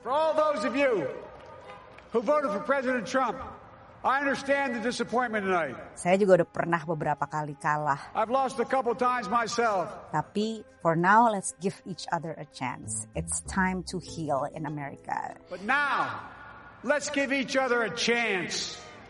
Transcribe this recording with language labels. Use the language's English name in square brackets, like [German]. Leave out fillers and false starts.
[English] For all those of you who voted for President Trump, I understand the disappointment tonight. [Indonesian] Saya juga udah pernah beberapa kali kalah. [English] I've lost a couple times myself. [Indonesian] Tapi [English] for now, let's give each other a chance. It's time to heal in America. But now, let's give each other a chance.